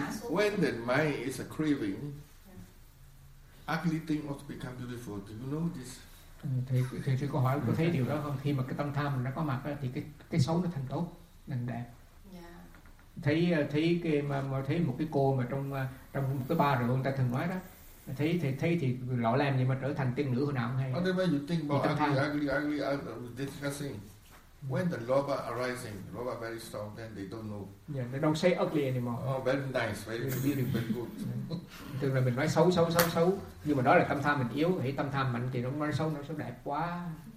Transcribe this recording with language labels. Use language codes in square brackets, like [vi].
[en] When the mind is a craving, ugly thing ought to become beautiful. Do you know this? [vi] Thì sư có hỏi có thấy điều đó không? Khi mà cái tâm tham nó có mặt thì cái xấu nó thành tốt, thành đẹp. [en] Yeah. [vi] Thấy cái mà thấy một cái cô mà trong một cái bar rượu người ta thường nói đó, thấy thì lọ lem gì mà trở thành tiên nữ hồi nào cũng hay. [en] What do you think about ugly, discussing? When the loba arising, loba very strong, then they don't know. Yeah, they don't say ugly anymore. Oh, very nice, very beautiful, very good. [vi] Thường là mình nói xấu, nhưng mà đó là tâm tham mình yếu. Thì tâm tham mạnh thì nó nói xấu, nó đẹp quá.